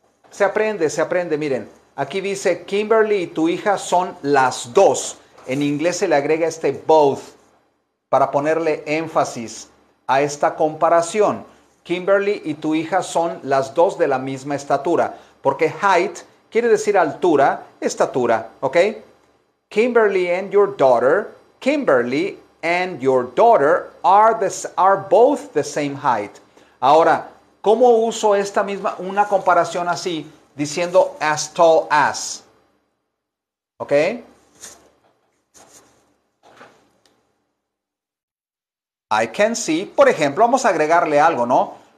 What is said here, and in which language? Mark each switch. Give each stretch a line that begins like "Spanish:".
Spanish: Se aprende, miren. Aquí dice, Kimberly y tu hija son las dos. En inglés se le agrega este both para ponerle énfasis a esta comparación. Kimberly y tu hija son las dos de la misma estatura. Porque height quiere decir altura, estatura, ¿ok?
English: Kimberly and your daughter, Kimberly and your daughter are both the same height.
Spanish: Ahora, ¿cómo uso esta misma, una comparación así, diciendo
English: as tall as?
Spanish: ¿Ok?
English: I can see,
Spanish: por ejemplo, vamos a agregarle algo, ¿no?